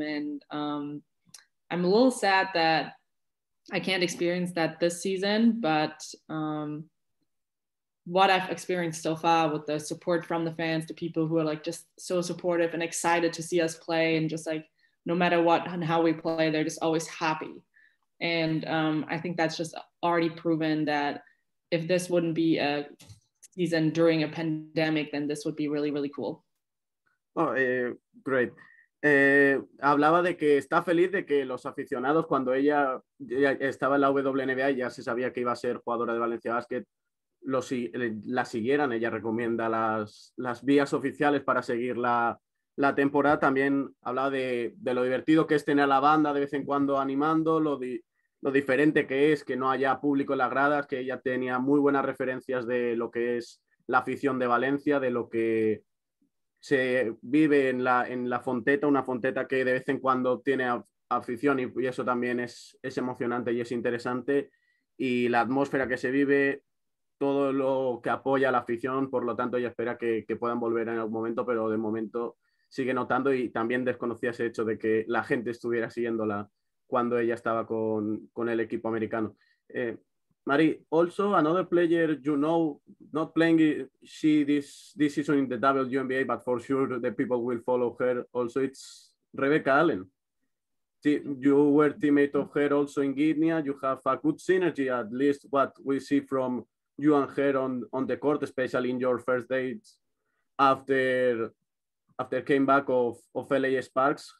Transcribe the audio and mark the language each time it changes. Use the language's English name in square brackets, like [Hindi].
[English] And I'm a little sad that I can't experience that this season, but what I've experienced so far with the support from the fans, the people who are like just so supportive and excited to see us play, and just like no matter what and how we play, they're just always happy. And I think that's just already proven that if this wouldn't be a season during a pandemic, then this would be really, really cool. Oh, great. [Spanish] Hablaba de que está feliz de que los aficionados, cuando ella ya estaba en la WNBA, ya se sabía que iba a ser jugadora de Valencia Basket, la siguieran. Ella recomienda las vías oficiales para seguir la temporada. También hablaba de lo divertido que es tener a la banda de vez en cuando animando, lo diferente que es que no haya público en las gradas, que ella tenía muy buenas referencias de lo que es la afición de Valencia, de lo que se vive en la fonteta, una fonteta que de vez en cuando tiene afición y eso también es emocionante y es interesante. Y la atmósfera que se vive, todo lo que apoya a la afición, por lo tanto, ella espera que puedan volver en algún momento, pero de momento sigue notando y también desconocía ese hecho de que la gente estuviera siguiéndola cuando ella estaba con el equipo americano. [English] Mari, also another player you know, not playing she this season in the WNBA, but for sure the people will follow her also, it's Rebecca Allen. You were teammate of her also in Guinea. You have a good synergy, at least what we see from you and her on the court, especially in your first dates after came back of LA Sparks.